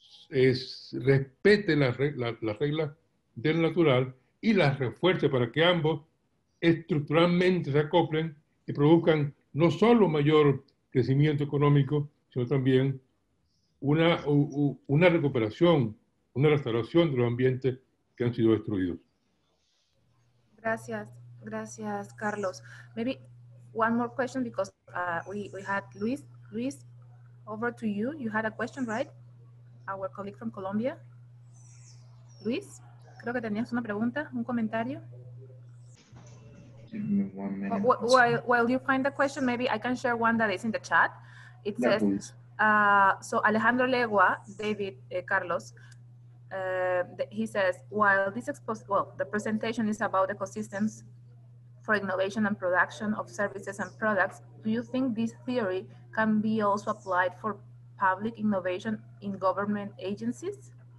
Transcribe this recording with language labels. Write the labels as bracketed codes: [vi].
[es] respete las reglas del natural y las refuerce para que ambos estructuralmente se acoplen y produzcan no solo mayor crecimiento económico, sino también una recuperación, una restauración de los ambientes que han sido destruidos. Gracias, Carlos. [en] Maybe one more question because we had Luis. Luis, over to you. You had a question, right? Our colleague from Colombia. [es] Luis, creo que tenías una pregunta, un comentario. [en] Give me 1 minute. While you find the question, maybe I can share one that is in the chat. It yeah, says, please. So Alejandro Legua, David, Carlos, he says, while this the presentation is about ecosystems for innovation and production of services and products, do you think this theory can be also applied for public innovation in government agencies?